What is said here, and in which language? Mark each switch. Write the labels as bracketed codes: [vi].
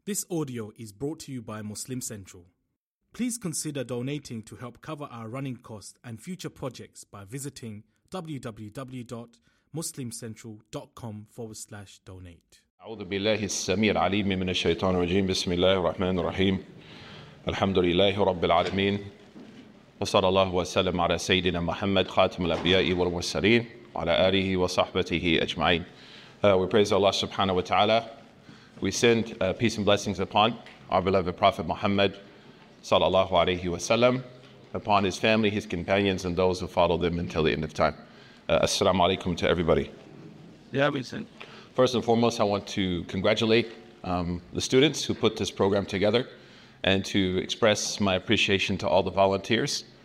[en] This audio is brought to you by Muslim Central. Please consider donating to help cover our running costs and future projects by visiting www.muslimcentral.com/donate. [ar] أعوذ بالله السميع العليم من الشيطان الرجيم بسم الله الرحمن الرحيم الحمد لله رب العالمين وصلى الله وسلم على سيدنا محمد خاتم الأنبياء والمرسلين وعلى آله وصحبه أجمعين. [en] We praise Allah subhanahu wa ta'ala. We send peace and blessings upon our beloved Prophet Muhammad sallallahu alayhi wa sallam, upon his family, his companions, and those who follow them until the end of time. Assalamu alaikum to everybody. Yeah, we send. First and foremost, I want to congratulate the students who put this program together and to express my appreciation to all the volunteers.